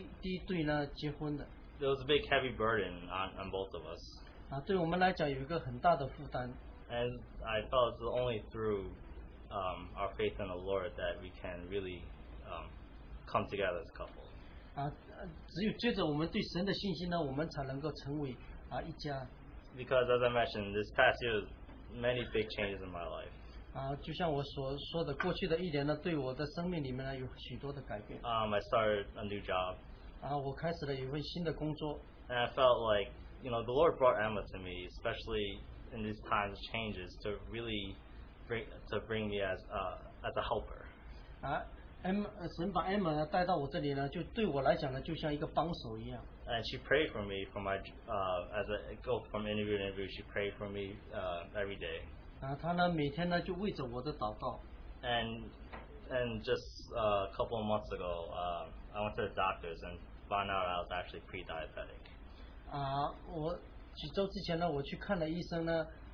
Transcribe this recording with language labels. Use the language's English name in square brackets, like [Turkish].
[Chinese] 我们呢是在我们的年轻人的聚会里面第一对呢结婚的。 [English] It was a big heavy burden on both of us. [Chinese] 对我们来讲有一个很大的负担。 [English] And I felt it's only through our faith in the Lord that we can really come together as a couple. [Chinese] 只有借着我们对神的信心呢，我们才能够成为一家。 [English] Because as I mentioned, this past year many big changes in my life. [Chinese] 就像我所说的, 过去的一年呢, 对我的生命里面呢, 有许多的改变。 [English] I started a new job. [Chinese] 我开始了一份新的工作。 [English] And I felt like, you know, the Lord brought Emma to me, especially in these times of changes, to really bring, to bring me as a helper. [Chinese] 神把Emma带到我这里呢, 就对我来讲呢, 就像一个帮手一样。 [English] And she prayed for me for my as I go from interview to interview, she prayed for me every day. [Chinese] 她呢每天呢就为着我的祷告。 [English] And just a couple of months ago, I went to the doctors and found out I was actually pre-diabetic. [Chinese] 我几周之前呢，我去看了医生呢。